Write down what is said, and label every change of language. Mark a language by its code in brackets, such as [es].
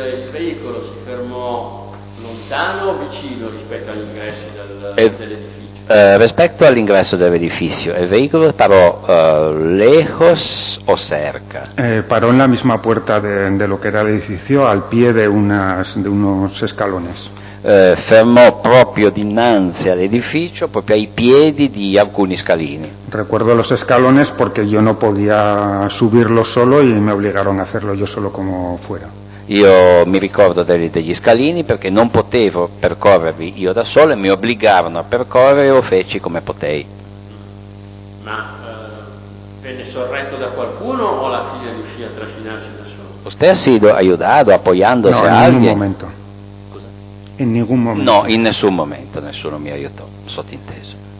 [it] veicolo si fermò lontano o vicino rispetto all'ingresso dell'edificio? Rispetto all'ingresso dell'edificio, il veicolo parò [es] lejos o cerca? Parò en la misma puerta de lo que era el edificio, al pie de unos escalones. [it] Fermò proprio dinanzi all'edificio, proprio ai piedi di alcuni scalini. [es] Recuerdo los escalones porque yo no podía subirlo solo y me obligaron a hacerlo yo solo como fuera. [it] Io mi ricordo degli scalini perché non potevo percorrervi io da solo e mi obbligarono a percorrere e lo feci come potei. Ma venne sorretto da qualcuno o la figlia riuscì a trascinarsi da solo? [es] Usted ha sido ayudado apoyándose no, a alguien? No, [it] in un momento. [es] In ningún momento. [it] No, in nessun momento nessuno mi aiutò, sottinteso.